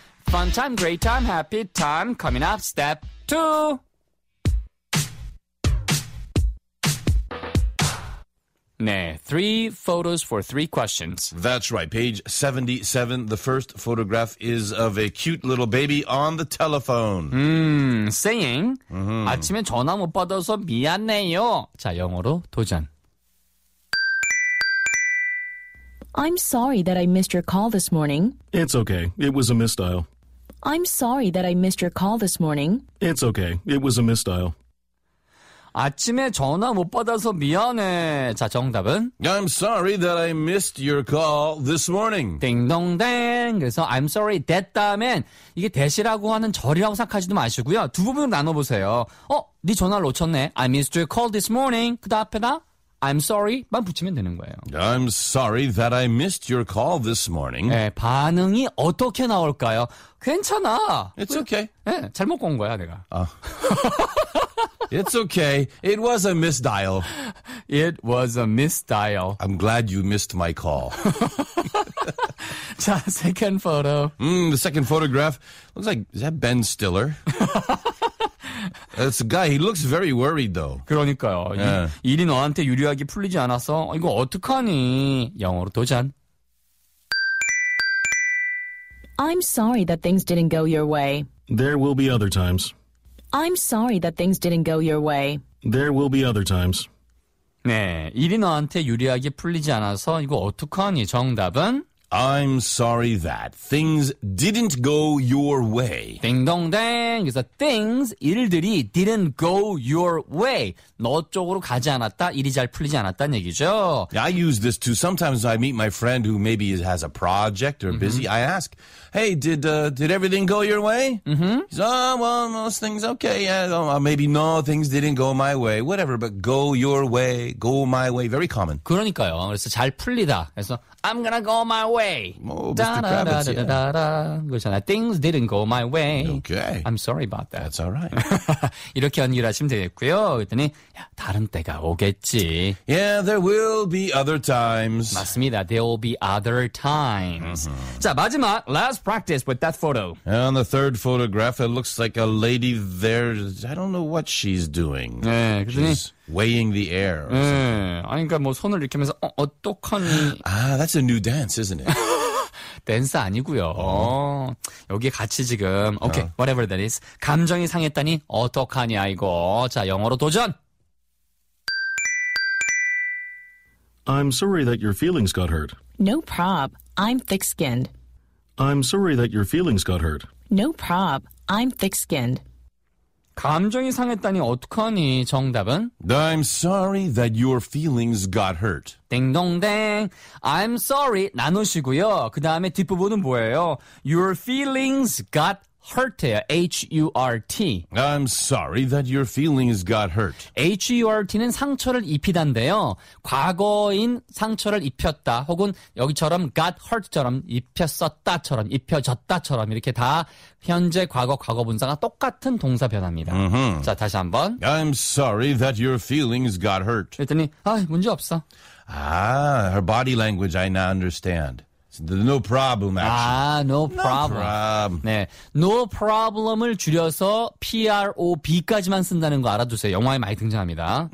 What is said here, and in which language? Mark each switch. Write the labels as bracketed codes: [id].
[en] Fun time, great time, happy time. Coming up, step two. 네, three photos for three questions. That's right. Page 77, the first photograph is of a cute little baby on the telephone. Saying, mm-hmm. [ko] 아침에 전화 못 받아서 미안해요. 자, 영어로 도전. [en] I'm sorry that I missed your call this morning. It's okay. It was a misdial. I'm sorry that I missed your call this morning. It's okay. It was a misdial. [ko] 아침에 전화 못 받아서 미안해. 자, 정답은? [en] I'm sorry that I missed your call this morning. [ko] 딩동댕. 그래서 I'm sorry that 다음엔 이게 that이라고 하는 절이라고 생각하지도 마시고요. 두 부분 나눠보세요. 어? 네 전화를 놓쳤네. [en] I missed your call this morning. [ko] 그 다음 앞에다 I'm sorry만 붙이면 되는 거예요. [en] I'm sorry that I missed your call this morning. [ko] 네, 반응이 어떻게 나올까요? 괜찮아. [en] It's okay. [ko] 네, 잘못 건 거야, 내가. [en] It's okay. It was a misdial. It was a misdial. I'm glad you missed my call. 자, second photo. The second photograph. Looks like, is that Ben Stiller? It's a guy. He looks very worried, though. [ko] 그러니까요. Yeah. 일이 너한테 유리하게 풀리지 않아서 이거 어떡하니? 영어로 도전. [en] I'm sorry that things didn't go your way. There will be other times. I'm sorry that things didn't go your way. There will be other times. [ko] 네, 일이 너한테 유리하게 풀리지 않아서 이거 어떡하니? 정답은? [en] I'm sorry that things didn't go your way. [ko] 딩동댕. 그래서 things, 일들이 didn't go your way. 너 쪽으로 가지 않았다. 일이 잘 풀리지 않았다는 얘기죠. [en] Yeah, I use this too. Sometimes I meet my friend who maybe has a project or busy. Mm-hmm. I ask, hey, did everything go your way? Mm-hmm. He's, oh, well, most things okay. Yeah, maybe no, things didn't go my way. Whatever, but go your way, go my way. Very common. [ko] 그러니까요. 그래서 잘 풀리다. [en] 그래서 I'm gonna go my way. Oh, yeah. Things didn't go my way. Okay. I'm sorry about that. That's all right. [ko] 이렇게 연결하시면 되겠고요. 그랬더니 야, 다른 때가 오겠지. [en] Yeah, there will be other times. [ko] 맞습니다. [en] There will be other times. Mm-hmm. 자, 마지막 last practice with that photo. And on the third photograph, it looks like a lady there. I don't know what she's doing. [ko] 네, [en] she's weighing the air. [ko] 네. 그러니까 뭐 손을 이렇게 하면서 어떡하니? [en] Ah, that's a new dance, isn't it? [ko] 댄스 아니고요. Oh. 여기 같이 지금 okay, oh. [en] whatever that is. [ko] 감정이 상했다니 어떡하니 아이고. 자, 영어로 도전. [en] I'm sorry that your feelings got hurt. No prob. I'm thick-skinned. I'm sorry that your feelings got hurt. No prob. I'm thick-skinned. [ko] 감정이 상했다니 어떡하니? 정답은? [en] I'm sorry that your feelings got hurt. [ko] 딩동댕. I'm sorry 나누시고요. 그 다음에 뒷부분은 뭐예요? [en] Your feelings got hurt예요. H-U-R-T. I'm sorry that your feelings got hurt. [ko] H-U-R-T는 상처를 입히다인데요. 과거인 상처를 입혔다. 혹은 여기처럼 got hurt처럼 입혔었다처럼 입혀졌다처럼 이렇게 다 현재 과거 과거 분사가 똑같은 동사 변화입니다. Mm-hmm. 자, 다시 한번. [en] I'm sorry that your feelings got hurt. [ko] 그랬더니 아, 문제 없어. [en] Ah, her body language I now understand. No problem, actually. Ah, no problem. No problem. [ko] 네, no problem을 줄여서 P-R-O-B까지만 쓴다는 거 알아두세요. 영화에 많이 등장합니다.